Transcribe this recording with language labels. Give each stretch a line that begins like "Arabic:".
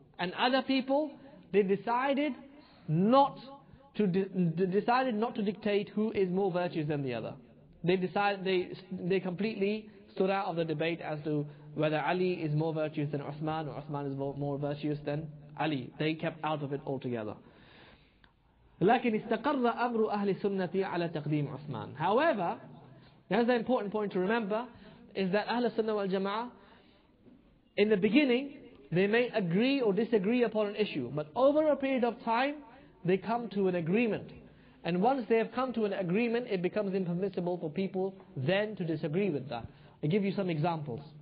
English: And other people, they decided not to dictate who is more virtuous than the other. They completely stood out of the debate as to whether Ali is more virtuous than Uthman or Uthman is more virtuous than Ali. They kept out of it altogether.
Arabic: لكن استقر أمر أهل السنة على تقديم عثمان.
English: However, that's the important point to remember, is that أهل السنة والجماعة, in the beginning, they may agree or disagree upon an issue, but over a period of time, they come to an agreement. And once they have come to an agreement, it becomes impermissible for people then to disagree with that. I give you some examples.